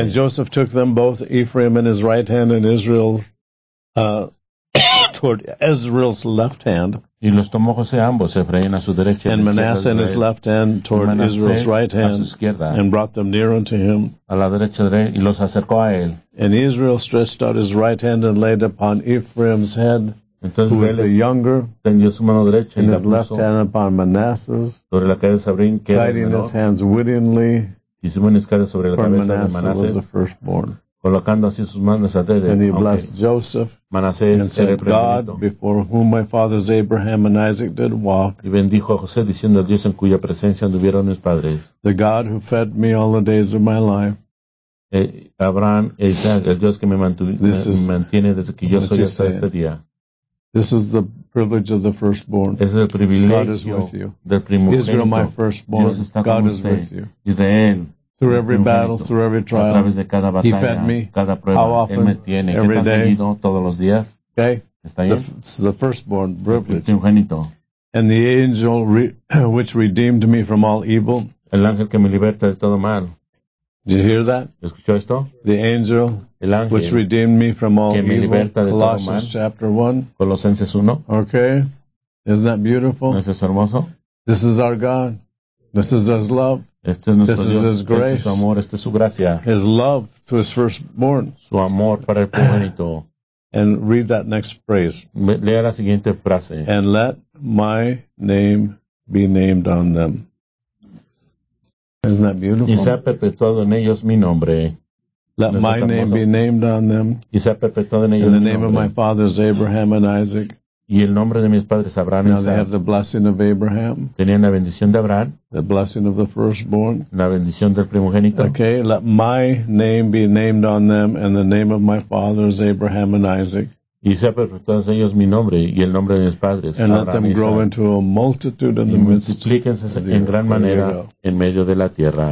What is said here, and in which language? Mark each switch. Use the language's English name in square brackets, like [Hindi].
[English] And Joseph took them both, Ephraim in his right hand and Israel toward Israel's left hand. [Spanish] Y los tomó José ambos, Ephraim a su derecha. [English] And Manasseh in his left hand toward Israel's right hand. [Spanish] A su izquierda, [English] and brought them near unto him. [Spanish] A la derecha de él, y los acercó a él. [English] And Israel stretched out his right hand and laid upon Ephraim's head. [Spanish] Entonces, [English] who was the younger, [Spanish] tendió su mano derecha, [English] and his left hand upon Manasseh, [Spanish] sobre la cabeza de Sabrín, que [English] guiding his hands wittingly, [Spanish] y su mano izquierda sobre la cabeza [English] Manasseh [Spanish] de Manasseh, [English] was the firstborn. [Spanish] Colocando así sus manos a dedo. [English] And he blessed Joseph, Manasseh, and said, God, before whom my fathers Abraham and Isaac did walk, [Spanish] y bendijo a José, diciendo, Dios en cuya presencia anduvieron mis padres, [English] the God who fed me all the days of my life, [Spanish] Abraham, Isaac, el Dios que me mantiene desde que yo soy hasta este día. [English] This is the privilege of the firstborn. [Spanish] Es el privilegio [English] God is with you. [Spanish] Del primogénito. [English] Israel, my firstborn. [Spanish] Dios está [English] God [Spanish] con [English] is with you. [Spanish] Y de él, [English] through every battle, through every trial. [Spanish] A través de cada batalla, [English] he fed me. [Spanish] Cada prueba, [English] how often? [Spanish] Él me tiene. [English] Every day. [Spanish] Todos los días. [English] Okay. [Spanish] ¿Está bien? [English] It's the firstborn privilege. [Spanish] El primogénito. [English] And the angel which redeemed me from all evil. [Spanish] El ángel que me liberta de todo mal. [English] Did you hear that? [Spanish] ¿Escuchó esto? [English] The angel, [Spanish] el ángel, [English] which redeemed me from all [Spanish] que me liberta [English] evil, [Spanish] de [English] Colossians [Spanish] todo mal. [English] Chapter 1. [Spanish] Colosenses 1. [English] Okay. Isn't that beautiful? [Spanish] ¿No es eso hermoso? [English] This is our God. This is His love. [Spanish] Este es nuestro [English] this [Spanish] Dios. [English] Is His grace. [Spanish] Este es su amor. Este es su gracia. [English] His love to His firstborn. [Spanish] Su amor para el primogénito. [English] And read that next phrase. [Spanish] Lea la siguiente frase. [English] And let my name be named on them. Isn't that beautiful? [Spanish] Y se ha perpetuado en ellos mi nombre. [English] Let my name be named on them. [Spanish] Y se ha perpetuado en ellos [English] in the name of my fathers Abraham and Isaac. [Spanish] Y el nombre de mis padres Abraham y Isaac. [English] They have the blessing of Abraham. [Spanish] Tenían la bendición de Abraham. [English] The blessing of the firstborn. [Spanish] La bendición del primogénito. [English] Okay, let my name be named on them and the name of my fathers Abraham and Isaac. [Spanish] Y se ha perpetuado en ellos mi nombre y el nombre de mis padres. [English] And let them grow into a multitude in the midst. [Spanish] Multiplíquense en gran manera en medio de la tierra.